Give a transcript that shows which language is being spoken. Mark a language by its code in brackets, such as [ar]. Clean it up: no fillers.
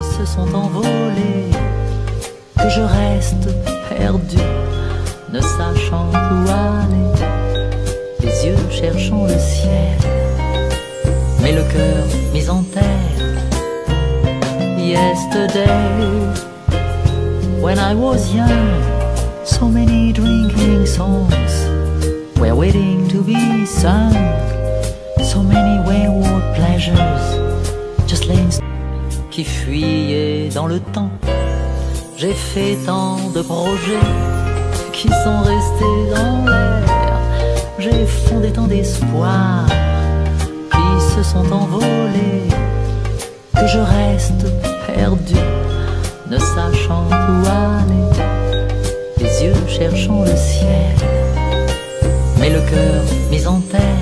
[fr] se sont envolées, que je reste perdu, ne sachant où aller, les yeux cherchant le ciel, mais le cœur mis en terre. [en] Yesterday, when I was young, so many drinking songs were waiting to be sung, so many wayward pleasures just lay in [fr] qui fuyaient dans le temps. J'ai fait tant de projets qui sont restés dans l'air. J'ai fondé tant d'espoirs qui se sont envolés, que je reste perdu, ne sachant où aller, les yeux cherchant le ciel, mais le cœur mis en terre.